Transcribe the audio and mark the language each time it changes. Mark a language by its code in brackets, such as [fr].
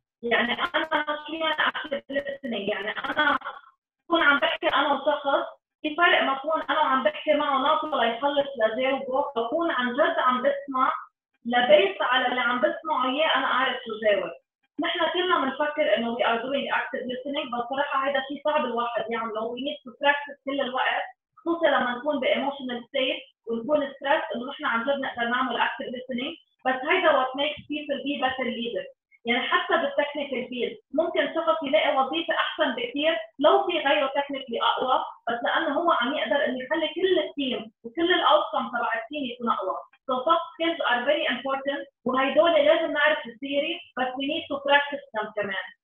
[ar] يعني أنا شو يعني active listening؟ يعني أنا كون عم بحكي أنا وشخص في فرق ما كون أنا عم بحكي معه ناطر ليخلص لجاوبه، بكون عن جد عم بسمع لبيس على اللي عم بسمعه إياه أنا أعرف شو جاوب. نحنا كلنا منفكر إنه [en] we are doing active listening، [ar] بس صراحة هذا شيء صعب الواحد يعمله. [en] We need to practice [ar] كل الوقت، خصوصا لما نكون ب emotional state ونكون stressed إنه نحنا عم جد نقدر نعمل active listening. بس هذا [en] what makes people be better leaders. [ar] يعني حتى بالtechnical field ممكن شخص يلاقي وظيفة أحسن بكثير لو في غيره technically أقوى، بس لأنه هو عم يقدر إنه يخلي كل التيم وكل الأوسم تبع التيم يكون أقوى. [en] So soft skills are very important. [ar] وهيدول لازم نعرف السيري، بس [en] we need to practice them [ar] كمان.